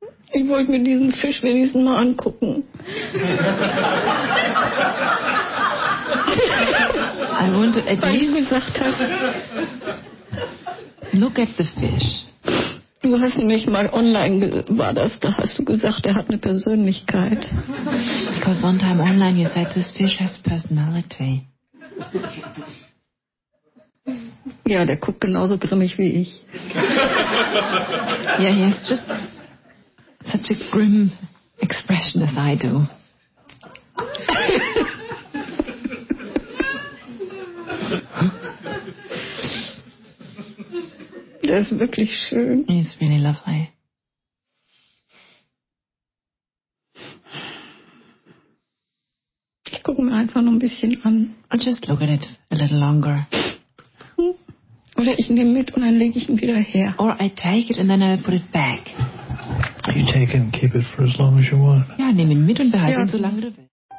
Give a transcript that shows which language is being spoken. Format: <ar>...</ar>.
<de>Ich wollte mir diesen Fisch wenigstens mal angucken.</de> <en>I want to at least</en> <de>gesagt hast,</de> <en>look at the fish.</en> <de>Du hast nämlich mal online, war das, da hast du gesagt, er hat eine Persönlichkeit.</de> <en>Because one time online you said, this fish has personality.</en> <de>Ja, der guckt genauso grimmig wie ich.</de> <en>Ja, yeah, he's just such a grim expression as I do.</en> <de>Der ist wirklich schön.</de> <en>He's really lovely.</en> <de>Ich gucke mir einfach noch ein bisschen an.</de> <en>I'll just look at it a little longer.</en> <de>Oder ich nehme mit und dann lege ich ihn wieder her.</de> <en>Or I take it and then I put it back. You take it and keep it for as long as you want.</en> <de>Ja, nimm ihn mit und behalte ihn so lange du willst.</de>